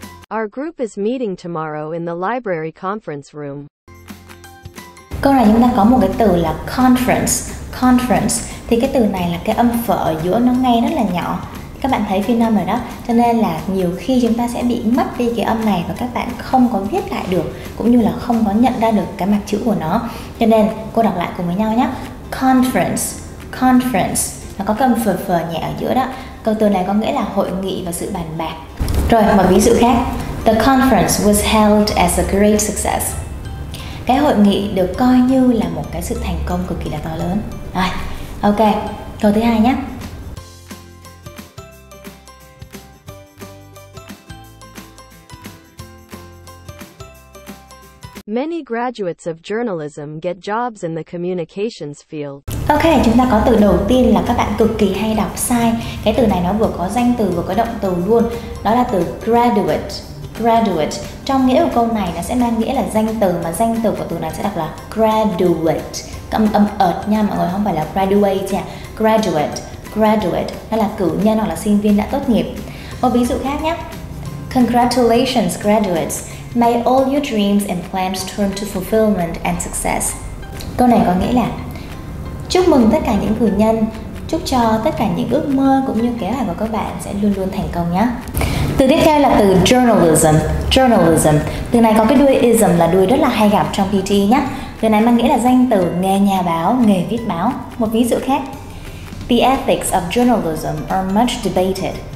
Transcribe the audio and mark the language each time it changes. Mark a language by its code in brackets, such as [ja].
[en] our group is meeting tomorrow in the library conference room. [vi] Câu này chúng ta có một cái từ là conference. Conference thì cái từ này là cái âm phở ở giữa nó ngay rất là nhỏ. Các bạn thấy phiên âm rồi đó, cho nên là nhiều khi chúng ta sẽ bị mất đi cái âm này và các bạn không có viết lại được, cũng như là không có nhận ra được cái mặt chữ của nó. Cho nên cô đọc lại cùng với nhau nhé: conference, conference. Nó có cái âm phở phở nhẹ ở giữa đó. Câu từ này có nghĩa là hội nghị và sự bàn bạc. Rồi, một ví dụ khác: [en] the conference was held as a great success. [vi] Cái hội nghị được coi như là một cái sự thành công cực kỳ là to lớn. Rồi, ok, câu thứ hai nhé: [en] many graduates of journalism get jobs in the communications field. [vi] Ok, chúng ta có từ đầu tiên là các bạn cực kỳ hay đọc sai. Cái từ này nó vừa có danh từ vừa có động từ luôn. Đó là từ graduate. Graduate trong nghĩa của câu này nó sẽ mang nghĩa là danh từ, mà danh từ của từ này sẽ đọc là graduate. Cầm âm ợt nha mọi người, không phải là graduate nha. Graduate, graduate. Nó là cử nhân hoặc là sinh viên đã tốt nghiệp. Một ví dụ khác nhé: [en] congratulations graduates, may all your dreams and plans turn to fulfillment and success. [vi] Câu này có nghĩa là chúc mừng tất cả những cử nhân, chúc cho tất cả những ước mơ cũng như kế hoạch của các bạn sẽ luôn luôn thành công nhé. Từ tiếp theo là từ journalism. Journalism, từ này có cái đuôi ism là đuôi rất là hay gặp trong PT nhé. Từ này mang nghĩa là danh từ nghề nhà báo, nghề viết báo. Một ví dụ khác: [en] the ethics of journalism are much debated.